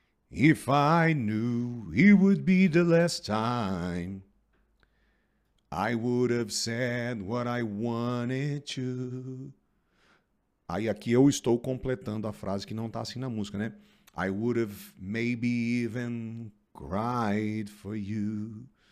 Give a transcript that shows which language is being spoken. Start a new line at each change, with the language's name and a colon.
English: If I knew it would be the last time, I would have said what I wanted to.
Portuguese: Aí aqui eu estou completando a frase que não está assim na música, né?
English: I would have maybe even cried for you.